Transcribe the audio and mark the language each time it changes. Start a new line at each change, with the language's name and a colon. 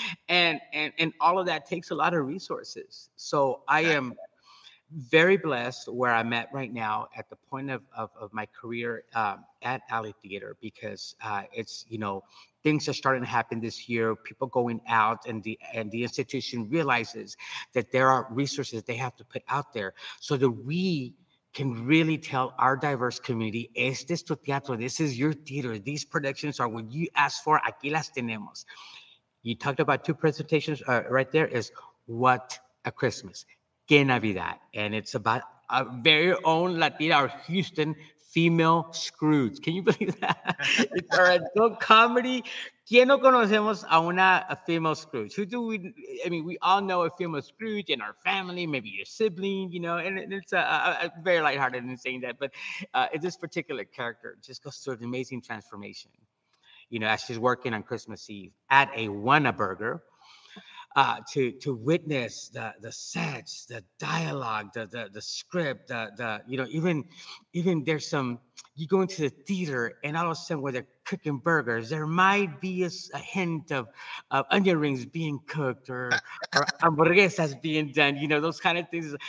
English: And all of that takes a lot of resources. So I am very blessed where I'm at right now at the point of my career at Alley Theater, because it's, you know, things are starting to happen this year, people going out, and the institution realizes that there are resources they have to put out there so that we can really tell our diverse community,
Spanish: este es tu teatro,
English: this is your theater, these productions are what you asked for,
Spanish: aquí las tenemos.
English: You talked about two presentations right there, is What a Christmas, Que Navidad, and it's about our very own Latina, our Houston female Scrooge. Can you believe that? It's our adult comedy.
Spanish: ¿Quién no conocemos a una
English: a female Scrooge? Who do we, I mean, we all know a female Scrooge in our family, maybe your sibling, you know, and it's a very lighthearted in saying that, but this particular character just goes through an amazing transformation. You know, as she's working on Christmas Eve at a Whataburger, to witness the sets, the dialogue, the script, the you know, even there's some, you go into the theater and all of a sudden where they're cooking burgers, there might be a hint of onion rings being cooked or hamburguesas being done, you know, those kind of things.